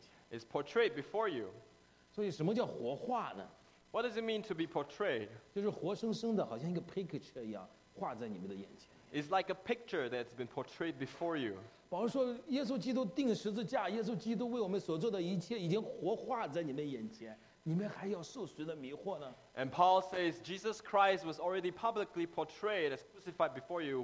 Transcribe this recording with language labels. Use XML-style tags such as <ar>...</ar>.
<en>It's portrayed before you. So what is portrayed? What does it mean to be portrayed? It's portrayed as a picture in your eyes. It's like a picture that's been portrayed before you.</en> <zh>保罗说耶稣基督钉十字架耶稣基督为我们所做的一切已经活化在你们眼前你们还要受谁的迷惑呢</zh> <en>And Paul says Jesus Christ was already publicly portrayed as crucified before you.</en>